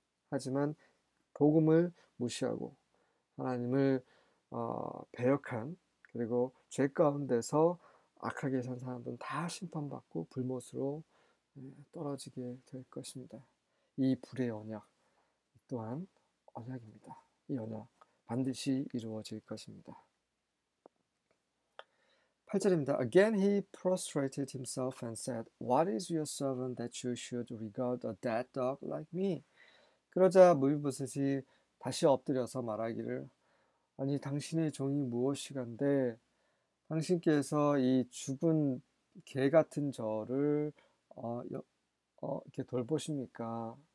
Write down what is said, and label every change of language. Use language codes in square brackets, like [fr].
[ko] 하지만 복음을 무시하고 하나님을 배역한 그리고 죄 가운데서 악하게 산 사람들은 다 심판받고 불못으로 떨어지게 될 것입니다. 이 불의 언약 또한 언약입니다. 이 언약 반드시 이루어질 것입니다. 8절입니다. [en] Again he prostrated himself and said, What is your servant that you should regard a dead dog like me? [ko] 그러자 므비보셋이 다시 엎드려서 말하기를, 아니 당신의 종이 무엇이간데 당신께서 이 죽은 개 같은 저를 이렇게 돌보십니까?